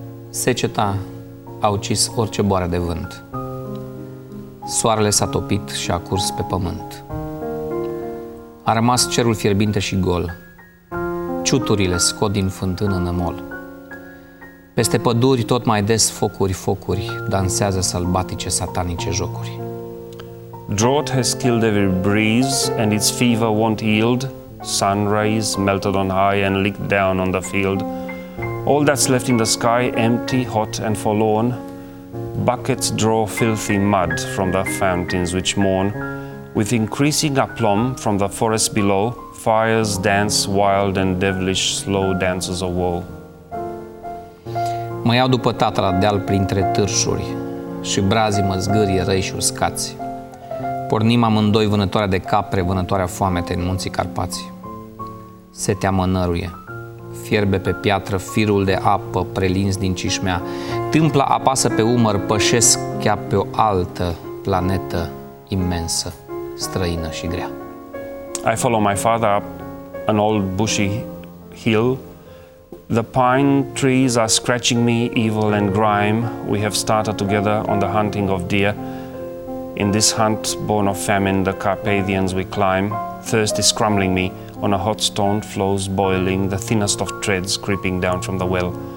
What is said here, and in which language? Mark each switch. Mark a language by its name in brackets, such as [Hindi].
[Romanian] Seceta a ucis orice boară de vânt. Soarele s-a topit și a curs pe pământ. A rămas cerul fierbinte și gol. Ciuturile scot din fântână nămol. Peste păduri tot mai des focuri dansează sălbatice satanice jocuri. [English] Drought has killed every breeze and its fever won't yield. Sun rays melted on high and leaked down on the field. All that's left in the sky, empty, hot and forlorn. Buckets draw filthy mud from the fountains which mourn. With increasing aplomb from the forest below, fires dance wild and devilish slow dances of woe. [Romanian] Mă iau după tata la deal printre târșuri și brazii mă zgârie răi și uscați. Pornim amândoi vânătoarea de capre, vânătoarea foamete în munții Carpați. Setea mă năruie, fierbe pe piatră firul de apă prelins din cișmea. Tâmpla apasă pe umăr, pășesc chiar pe o altă planetă imensă, străină și grea. [English] I follow my father up an old bushy hill. The pine trees are scratching me, evil and grime. We have started together on the hunting of deer. In this hunt, born of famine, the Carpathians we climb. Thirst is crumbling me. On a hot stone flows boiling, the thinnest of treads creeping down from the well.